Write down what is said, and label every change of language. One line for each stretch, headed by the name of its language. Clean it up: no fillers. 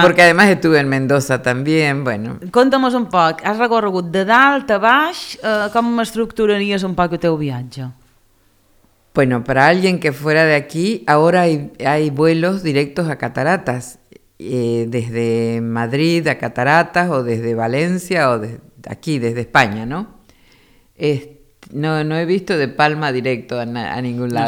Spanish: Porque además estuve en Mendoza también, bueno.
Catalan: Conta'mos un poc, has recorregut de dalt a baix, com estructuraries un poc el teu viatge?
Spanish: Bueno, para alguien que fuera de aquí, ahora hay vuelos directos a Cataratas, desde Madrid a Cataratas, o desde Valencia, o desde aquí, desde España, ¿no? No he visto de Palma directo a ningún lado.